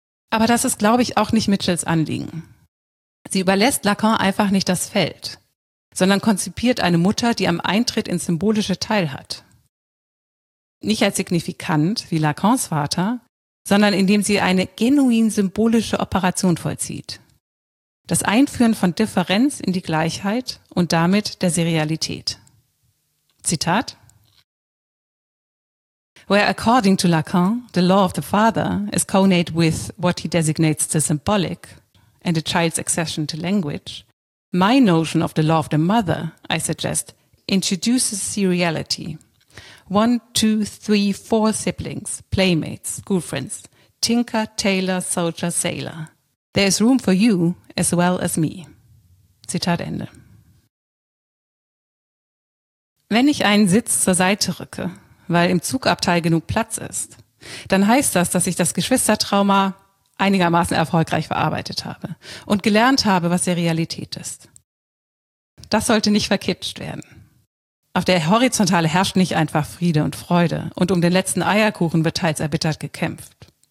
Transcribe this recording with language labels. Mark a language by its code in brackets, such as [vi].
[de] Aber das ist, glaube ich, auch nicht Mitchells Anliegen. Sie überlässt Lacan einfach nicht das Feld, sondern konzipiert eine Mutter, die am Eintritt ins Symbolische teilhat. Nicht als signifikant wie Lacans Vater, sondern indem sie eine genuin symbolische Operation vollzieht. Das Einführen von Differenz in die Gleichheit und damit der Serialität. Zitat: [en] Where according to Lacan, the law of the father is connate with what he designates the symbolic, and a child's accession to language, my notion of the law of the mother, I suggest, introduces seriality. 1, 2, 3, 4 siblings, playmates, school friends, tinker, tailor, soldier, sailor. There is room for you as well as me. [de] Zitat Ende. Wenn ich einen Sitz zur Seite rücke, weil im Zugabteil genug Platz ist, dann heißt das, dass ich das Geschwistertrauma einigermaßen erfolgreich verarbeitet habe und gelernt habe, was Serialität ist. Das sollte nicht verkitscht werden. Auf der Horizontale herrscht nicht einfach Friede und Freude und um den letzten Eierkuchen wird teils erbittert gekämpft.